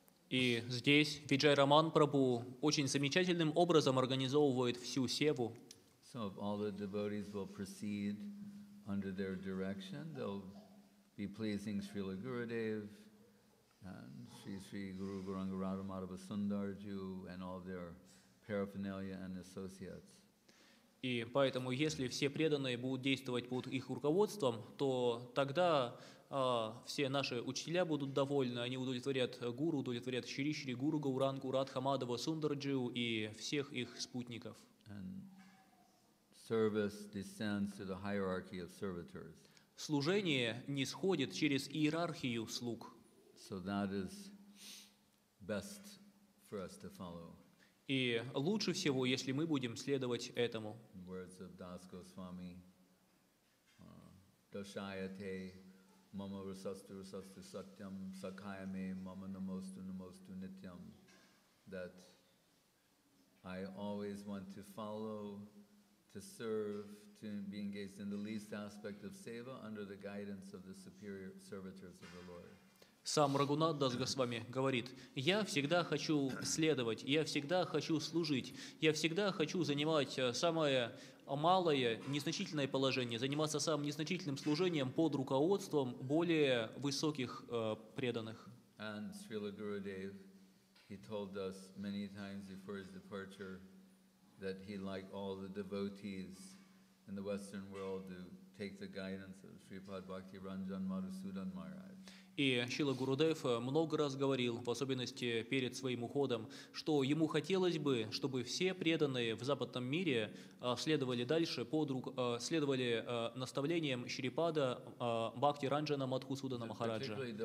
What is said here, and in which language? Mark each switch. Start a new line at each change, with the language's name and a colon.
Russian: И здесь Виджай Раман Прабху очень замечательным образом организовывает всю севу.
English: So if all the devotees will proceed under their direction, they'll be pleasing Srila Gurudev. And Sri Sri Guru Guranga Radha Madhava Sundarju and all their paraphernalia and associates.
Russian: И поэтому, если все преданные будут действовать под их руководством, то тогда все наши учителя будут довольны. Они удовлетворят гуру, удовлетворят Шри Шри Гуру Гурангу Радха Мадхава Сундарджу и всех их спутников.
English: And service descends to the hierarchy of servitors.
Russian: Служение нисходит через иерархию слуг.
English: So that is best for us to follow.
Russian: И лучше всего, если мы будем следовать этому.
English: In words of Das Goswami,
Sanskrit: Doshayate, Mama Rasastu Rasastu Satyam, Sakayame, Mama Namostu Namostu Nityam,
English: that I always want to follow, to serve, to be engaged in the least aspect of seva under the guidance of the superior servitors of the Lord.
Russian: Сам Рагунат Дас Госвами говорит, я всегда хочу следовать, я всегда хочу служить, я всегда хочу занимать самое малое, незначительное положение, заниматься самым незначительным служением под руководством более высоких преданных.
English: And Srila Gurudev, he told us many times before his departure that he liked all the devotees in the Western world to take the guidance of Sripad Bhakti Ranjan Madhusudan Maharaj.
Russian: И Шрила Гурудев много раз говорил, в особенности перед своим уходом, что ему хотелось бы, чтобы все преданные в западном мире следовали дальше, следовали наставлениям Шрипада Бхакти Ранджана Мадхусудана Махараджа.